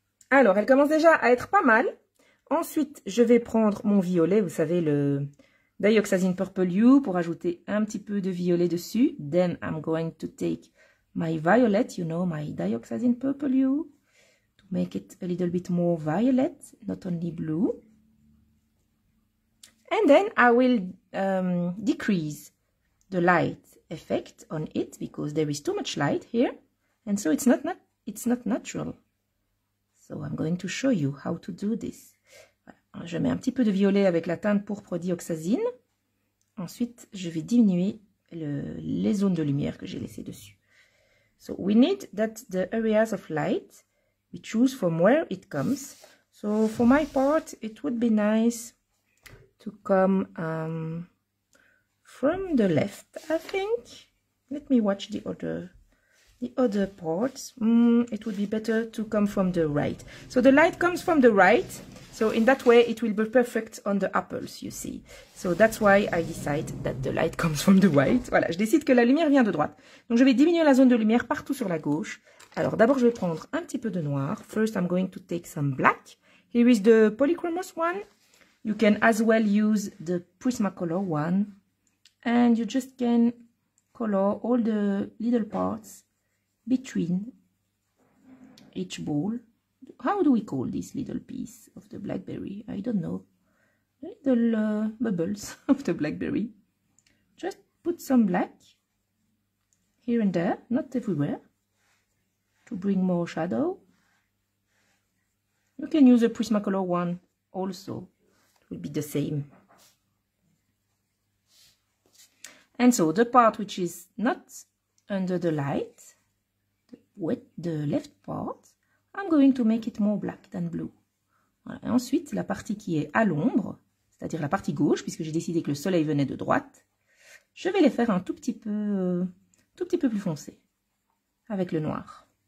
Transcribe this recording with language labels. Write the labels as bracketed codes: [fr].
[fr] Alors, elle commence déjà à être pas mal. Ensuite, je vais prendre mon violet, vous savez, le Dioxazine Purple Hue, pour ajouter un petit peu de violet dessus. [en] Then, I'm going to take my violet, you know, my Dioxazine Purple Hue, to make it a little bit more violet, not only blue. And then, I will decrease the light effect on it, because there is too much light here, and so it's not natural. So I'm going to show you how to do this. [fr] Voilà. Je mets un petit peu de violet avec la teinte pourpre dioxazine. Ensuite, je vais diminuer les zones de lumière que j'ai laissées dessus. [en] So we need that the areas of light we choose from where it comes. So for my part, it would be nice to come from the left, I think. Let me watch the other parts. It would be better to come from the right. So the light comes from the right. So in that way, it will be perfect on the apples, you see. So that's why I decide that the light comes from the right. [fr] Voilà, je décide que la lumière vient de droite. Donc je vais diminuer la zone de lumière partout sur la gauche. Alors d'abord, je vais prendre un petit peu de noir. [en] First, I'm going to take some black. Here is the polychromos one. You can as well use the Prismacolor one. And you just can color all the little parts between each ball. How do we call this little piece of the blackberry? I don't know. Little bubbles of the blackberry. Just put some black here and there, not everywhere, to bring more shadow. You can use a Prismacolor one also. It will be the same. And so the part which is not under the light, with the left part, I'm going to make it more black than blue. [fr] Voilà. Et ensuite, la partie qui est à l'ombre, c'est-à-dire la partie gauche, puisque j'ai décidé que le soleil venait de droite, je vais les faire un tout petit peu plus foncé avec le noir.